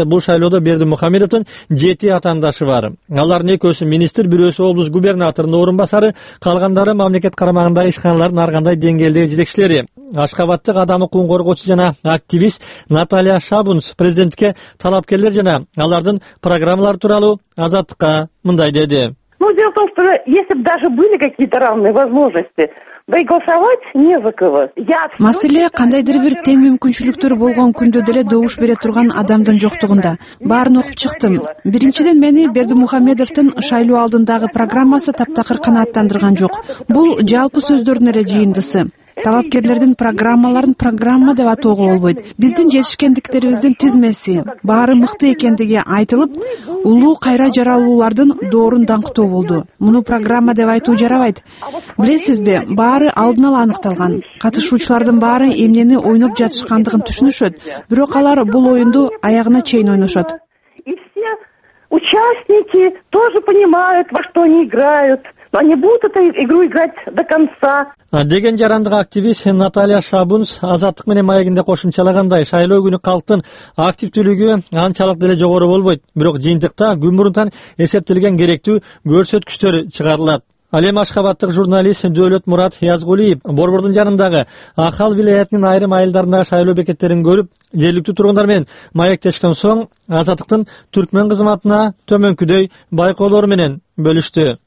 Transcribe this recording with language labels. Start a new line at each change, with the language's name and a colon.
Kyrgyz: Бул шайлоодо Бердимухамедовдун 7 атаандашы бар. Алардын экөөсү министр, бирөөсү облус губернатордун орун басары, калгандары мамлекет карамагындагы ишканалардын ар кандай деңгээлдеги жетекчилери. Ашкабаттык адам укугун коргоочу жана активист Наталья Шабунс президентке талапкерлер жана алардын программалары тууралуу Азаттыкка мындай деди.
Russian: Ну, дело в том, что если бы даже были какие-то равные возможности, да и голосовать не за кого.
Kyrgyz: Маселе кандайдыр бир тең мүмкүнчүлүктөр болгон күндө деле добуш бере турган адамдын жоктугунда. Баарын окуп чыктым. Биринчиден, мени Бердимухамедовдун шайлоо алдындагы программасы таптакыр канааттандырган жок. Бул жалпы сөздөрдүн эле жыйындысы. Талапкерлердин программаларын программа деп атоого болбойт. Биздин жетишкендиктерибиздин тизмеси, баары мыкты экендиги айтылып, улуу кайра жаралуулардын доорун даңктоо болду. Муну программа деп айтуу жарабайт. Билесизби, баары алдын ала аныкталган. Катышуучулардын баары эмнени ойноп жатышкандыгын түшүнүшөт, бирок алар бул оюнду аягына чейин ойношот.
Russian: И все участники тоже понимают, во что они играют. Они будут эту игру играть до конца.
Kyrgyz: Деген жарандык активист Наталья Шабунс Азаттык менен маегинде кошумчалагандай, шайлоо күнү калктын активдүүлүгү анчалык деле жогору болбойт. Бирок жыйынтыкта күн мурунтан эсептелген керектүү көрсөткүчтөр чыгарылат. Ал эми Ашкабаттык журналист Дөөлөт Мурат Язгулиев Борбордун жанындагы Ахал вилаятынын айрым айылдарындагы шайлоо бекеттерин көрүп, жергиликтүү тургундар менен маектешкен соң Азаттыктын түркмөн кызматына төмөнкүдөй байкоолор менен бөлүштү.